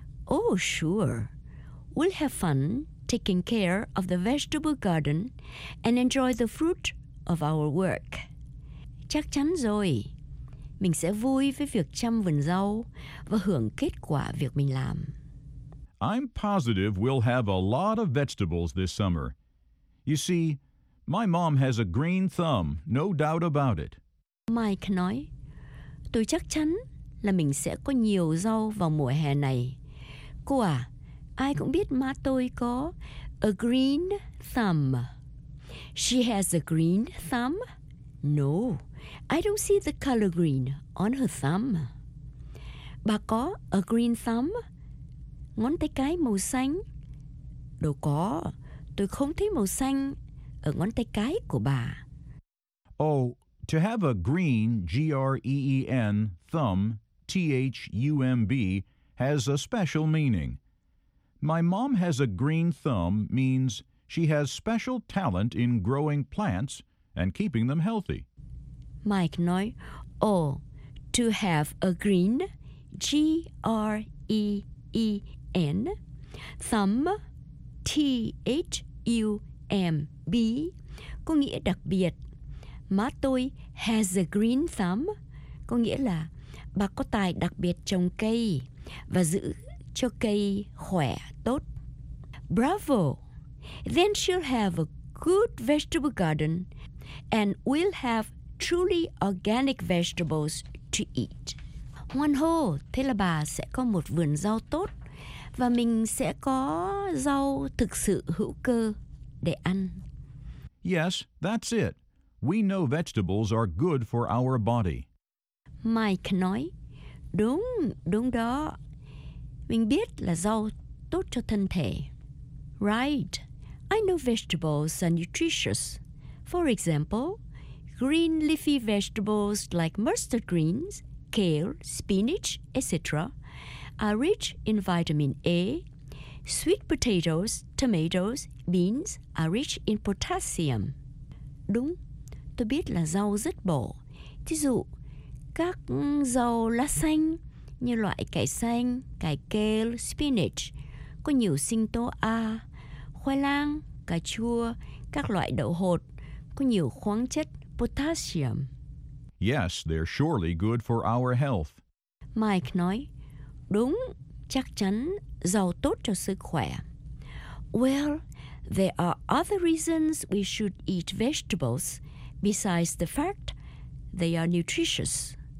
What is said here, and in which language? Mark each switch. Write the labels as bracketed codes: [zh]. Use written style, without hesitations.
[en] Oh, sure. We'll have fun taking care of the vegetable garden and enjoy the fruit of our work. [vi] Chắc chắn rồi. Mình sẽ vui với việc chăm vườn rau và hưởng kết quả việc mình làm. [en] I'm positive we'll have a lot of vegetables this summer. You see, my mom has a green thumb, no doubt about it. [vi] Mike nói, tôi chắc chắn là mình sẽ có nhiều rau vào mùa hè này. Cô à, ai cũng biết má tôi có [en] a green thumb. She has a green thumb? No, I don't see the color green on her thumb. [vi] Bà có [en] a green thumb? [vi] Ngón tay cái màu xanh? Đâu có, tôi không thấy màu xanh ở ngón tay cái của bà. [en] Oh, to have a green, G-R-E-E-N, thumb, T-H-U-M-B, has a special meaning. My mom has a green thumb means she has special talent in growing plants and keeping them healthy. [vi] Mike nói, [en] to have a green, G-R-E-E-N, thumb, T-H-U-M-B, [vi] có nghĩa đặc biệt. Má tôi [en] has a green thumb, [vi] có nghĩa là bà có tài đặc biệt trồng cây và giữ cho cây khỏe tốt. [en] Bravo! Then she'll have a good vegetable garden and we'll have truly organic vegetables to eat. [vi] Hoan hô! Thế là bà sẽ có một vườn rau tốt và mình sẽ có rau thực sự hữu cơ để ăn. [en] Yes, that's it. We know vegetables are good for our body. [vi] Mike nói, đúng, đúng đó. Mình biết là rau tốt cho thân thể. [en] Right. I know vegetables are nutritious. For example, green leafy vegetables like mustard greens, kale, spinach, etc. are rich in vitamin A. Sweet potatoes, tomatoes, beans are rich in potassium. [vi] Đúng. Tôi biết là rau rất bổ. Thí dụ, các rau lá xanh như loại cải xanh, cải kale, spinach có nhiều sinh tố A, khoai lang, cà chua, các loại đậu hột có nhiều khoáng chất potassium. [en] Yes, they're surely good for our health. [vi] Mike nói, đúng, chắc chắn rau tốt cho sức khỏe. [en] Well, there are other reasons we should eat vegetables besides the fact they are nutritious.